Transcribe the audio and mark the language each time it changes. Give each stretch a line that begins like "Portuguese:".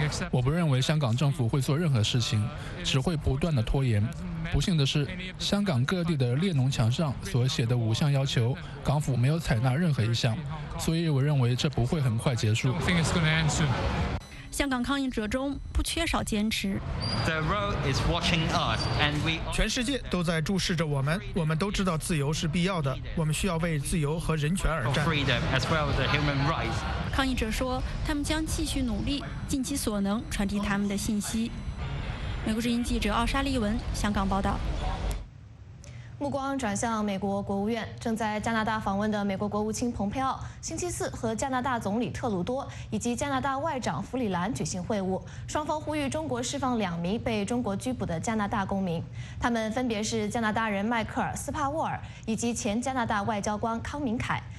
Chinese: 我不认为香港政府会做任何事情，只会不断的拖延。不幸的是，香港各地的列侬墙上所写的5项要求，港府没有采纳任何一项，所以我认为这不会很快结束。香港抗议者中不缺少坚持。
English: The world is watching us, and we
Chinese: 全世界都在注视着我们。我们都知道自由是必要的，我们需要为自由和人权而战。
English: Freedom as well as human rights.
Chinese: 抗议者说，他们将继续努力，尽其所能传递他们的信息。美国之音记者奥沙利文，香港报道。目光转向美国国务院，正在加拿大访问的美国国务卿蓬佩奥星期四和加拿大总理特鲁多以及加拿大外长弗里兰举行会晤，双方呼吁中国释放两名被中国拘捕的加拿大公民，他们分别是加拿大人迈克尔斯帕沃尔以及前加拿大外交官康明凯。